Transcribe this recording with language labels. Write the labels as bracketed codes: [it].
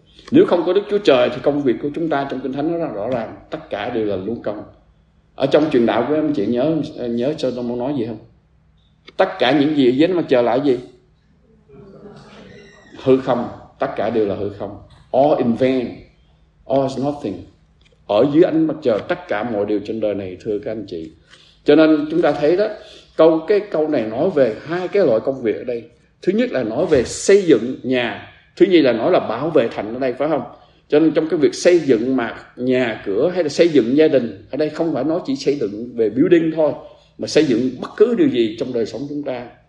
[vi] Nếu không có Đức Chúa Trời thì công việc của chúng ta trong Kinh Thánh nó rõ ràng, tất cả đều là luân công. Ở trong truyền đạo của em chị nhớ Solomon nói gì không? Tất cả những gì dưới mặt trời lại gì? Hư không, tất cả đều là hư không. [en] All in vain, all is nothing. [vi] Ở dưới ánh mặt trời tất cả mọi điều trên đời này, thưa các anh chị. Cho nên chúng ta thấy đó, câu này nói về hai cái loại công việc ở đây. Thứ nhất là nói về xây dựng nhà, thứ nhì là nói là bảo vệ thành ở đây, phải không? Cho nên trong cái việc xây dựng mà nhà cửa hay là xây dựng gia đình, ở đây không phải nói chỉ xây dựng về building thôi, mà xây dựng bất cứ điều gì trong đời sống chúng ta.